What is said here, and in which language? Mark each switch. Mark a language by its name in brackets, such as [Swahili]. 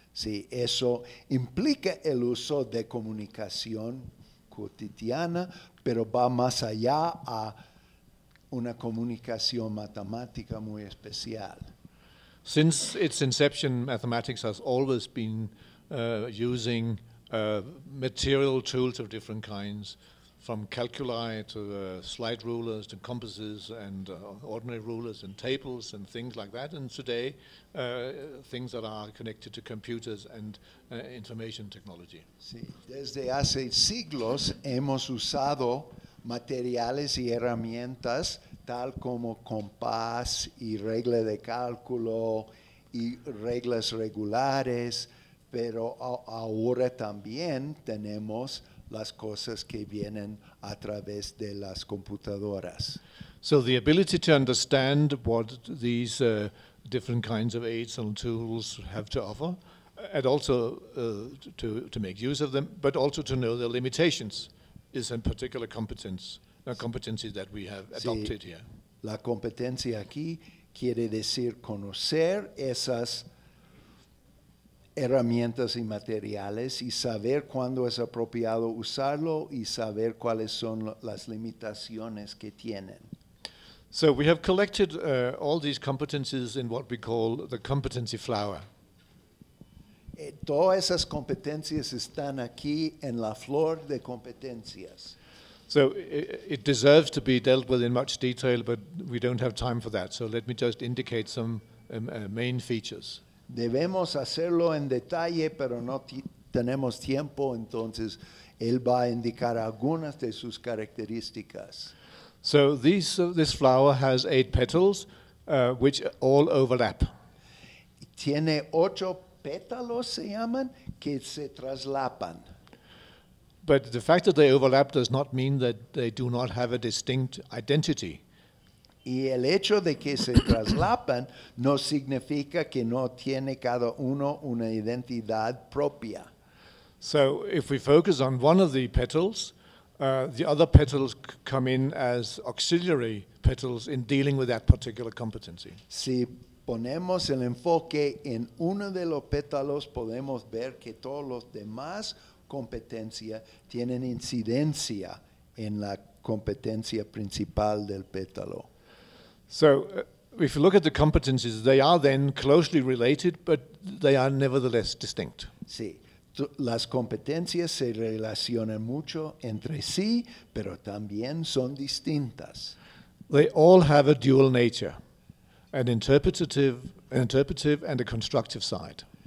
[Spanish] Sí, eso implica el uso de comunicación cotidiana, pero va más allá a una comunicación matemática muy especial. [English] Since its inception, mathematics has always been using material tools of different kinds, from calculi to slide rulers to compasses and ordinary rulers and tables and things like that. And today, things that are connected to computers and information technology. [Spanish] Sí, desde hace siglos hemos usado materiales y herramientas tal como compás y regla de cálculo y reglas regulares, pero ahora también tenemos las cosas que vienen a través de las computadoras. [English] So the ability to understand what these different kinds of aids and tools have to offer, and also to make use of them, but also to know their limitations, is a particular competence, a competency that we have adopted here. [Spanish] La competencia aquí quiere decir conocer esas herramientas y materiales y saber cuándo es apropiado usarlo y saber cuáles son las limitaciones que tienen. [English] So we have collected all these competencies in what we call the competency flower. [Spanish] Todas esas competencias están aquí en la flor de competencias. [English] So it deserves to be dealt with in much detail, but we don't have time for that. So let me just indicate some main features. [Spanish] Debemos hacerlo en detalle, pero no tenemos tiempo, entonces él va a indicar algunas de sus características. [English] So this flower has 8 petals, which all overlap. [Spanish] Tiene 8 pétalos, se llaman, que se traslapan. [English] But the fact that they overlap does not mean that they do not have a distinct identity. [Spanish] Y el hecho de que se traslapan no significa que no tiene cada uno una identidad propia. [English] So if we focus on one of the petals, the other petals come in as auxiliary petals in dealing with that particular competency. [Spanish] Si ponemos el enfoque en uno de los pétalos, podemos ver que todos los demás competencias tienen incidencia en la competencia principal del pétalo. [English] So, if you look at the competencies, they are then closely related, but they are nevertheless distinct. [Spanish] Sí, las competencias se relacionan mucho entre sí, pero también son distintas. [English] They all have a dual nature, an interpretive and a constructive side.